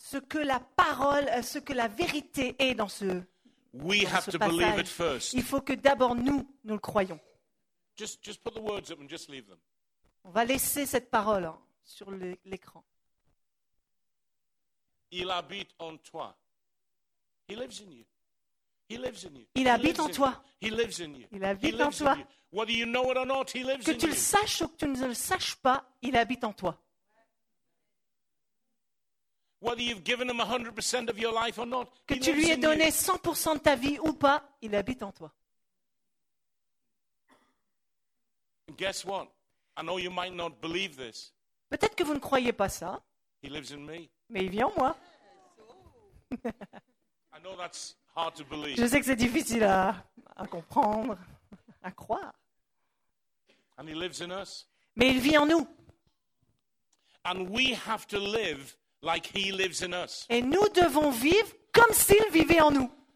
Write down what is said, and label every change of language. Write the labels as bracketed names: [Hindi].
[French] ce que la parole, ce que la vérité est dans ce, [English] we [French] dans [English] have [French] ce [English] to [French] passage. [English] Believe it first. [French] Il faut que d'abord nous le croyons. [English] Just put the words up and just leave them. [French] On va laisser cette parole sur l'écran. Il habite en toi. [English] He lives in you. He lives in you. [French] Il habite en toi. [English] He lives in you. [French] Il habite en toi. [English] Whether you know it or not, he lives in you. [French] Que tu le saches ou que tu ne le saches pas, il habite en toi. [English] Whether you've given him 100% of your life or not, [French] que tu lui aies donné 100% de ta vie ou pas, il habite en toi. [English] Guess what? I know you might not believe this. [French] Peut-être que vous ne croyez pas ça. [English] He lives in me. [French] Mais il vit en moi. [English] I know that's hard to believe. [French] Je sais que c'est difficile à comprendre, à croire. [English] And he lives in us. [French] Mais il vit en nous. [English] And we have to live like he lives in us. [French] Et nous devons vivre comme s'il vivait en nous.